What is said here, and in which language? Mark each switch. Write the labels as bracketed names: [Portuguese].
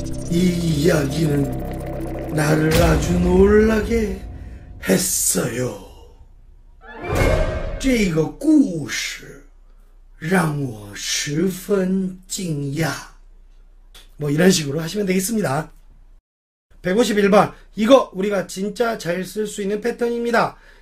[Korean] 이 이야기는 나를 아주 놀라게 했어요. [Chinese] 这个故事让我十分惊讶. [Korean] 뭐 이런 식으로 하시면 되겠습니다. 151번. 이거 우리가 진짜 잘쓸수 있는 패턴입니다.